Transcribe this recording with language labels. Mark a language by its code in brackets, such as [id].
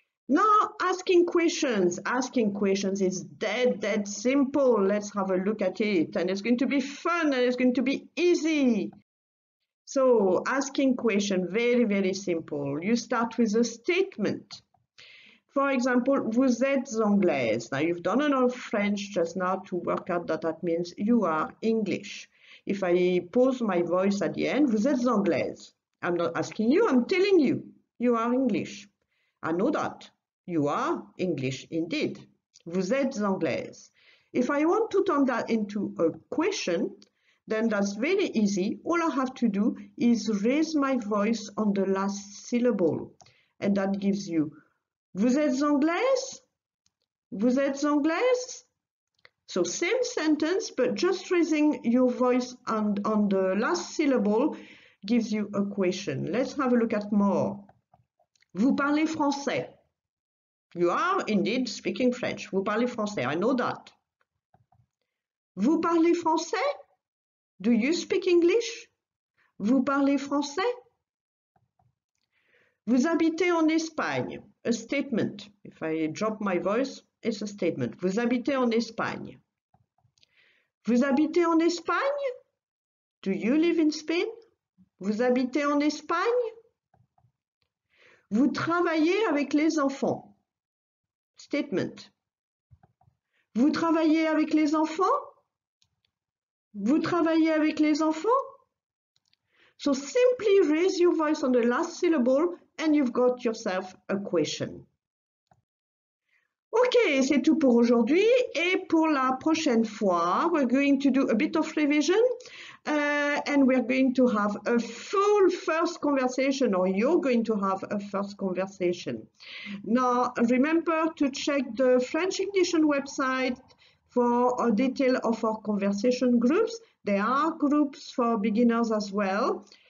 [fr] Now, asking questions is dead simple. Let's have a look at it. And it's going to be fun and it's going to be easy. So, asking question, very, very simple. You start with a statement. [en] For example, [fr] vous êtes anglaise. [en] Now, you've done enough French just now to work out that means you are English. If I pose my voice at the end, [fr] vous êtes anglaise. [en] I'm not asking you, I'm telling you. You are English. I know that. You are English indeed. [fr] Vous êtes anglaise. [en] If I want to turn that into a question, then that's very easy. All I have to do is raise my voice on the last syllable. And that gives you, [fr] vous êtes anglaise? Vous êtes anglaise? [en] So same sentence, but just raising your voice on the last syllable gives you a question. Let's have a look at more. [fr] Vous parlez français? [en] You are indeed speaking French. [fr] Vous parlez français. [en] I know that. [fr] Vous parlez français? [en] Do you speak English? [fr] Vous parlez français? Vous habitez en Espagne? [en] A statement. If I drop my voice, it's a statement. [fr] Vous habitez en Espagne? Vous habitez en Espagne? [en] Do you live in Spain? [fr] Vous habitez en Espagne? Vous travaillez avec les enfants? Statement. Vous travaillez avec les enfants? Vous travaillez avec les enfants? [en] So simply raise your voice on the last syllable and you've got yourself a question. [fr] Okay, c'est tout pour aujourd'hui et pour la prochaine fois, [en] we're going to do a bit of revision. And we're going to have a full first conversation, or you're going to have a first conversation. Now, remember to check the French Ignition website for a detail of our conversation groups. There are groups for beginners as well.